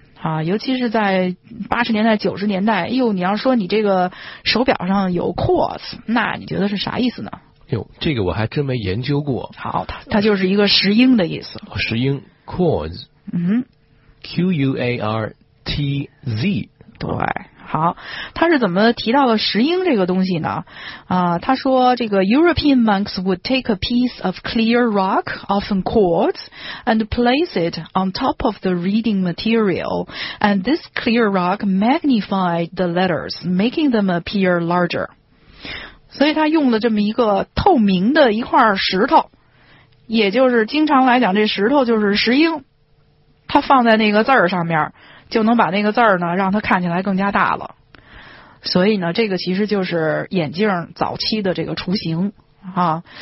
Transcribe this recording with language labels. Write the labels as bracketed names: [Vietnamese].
[Chinese] 啊，尤其是在80年代、90年代，哟，你要说你这个手表上有 quartz， 那你觉得是啥意思呢？哟，这个我还真没研究过。好，它就是一个石英的意思。哦、石英 quartz。quartz。对。好，他是怎么提到了石英这个东西呢？他说这个 [English] European monks would take a piece of clear rock, often quartz, and place it on top of the reading material, and this clear rock magnified the letters, making them appear larger. [Chinese] 所以他用了这么一个透明的一块石头，也就是经常来讲这石头就是石英，他放在那个字儿上面就能把那个字儿呢让它看起来更加大了。所以呢这个其实就是眼镜早期的这个雏形啊。